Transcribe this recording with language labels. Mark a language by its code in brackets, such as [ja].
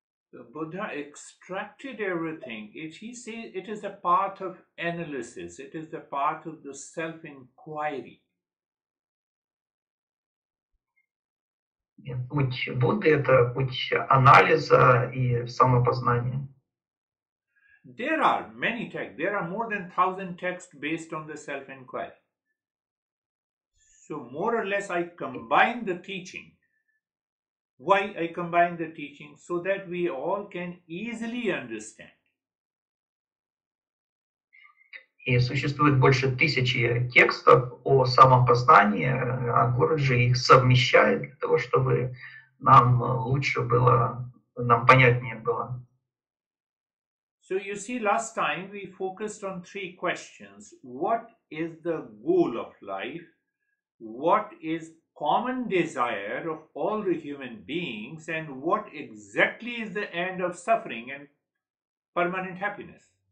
[en] The Buddha extracted everything. He says it is a path of analysis. It is the path of the self-inquiry. [ru] Путь Будды — это путь анализа и самопознания. [en] There are many texts. There are more than 1,000 texts based on the self-inquiry. So more or less I combine the teaching. Why I combine the teaching? So that we all can easily understand. [ru] И существует больше 1000 текстов о самопознании, а Гуруджи их совмещает для того, чтобы нам лучше было, нам понятнее было. [en] So you see, last time we focused on 3 questions. What is the goal of life? What is common desire of all the human beings? And what exactly is the end of suffering and permanent happiness?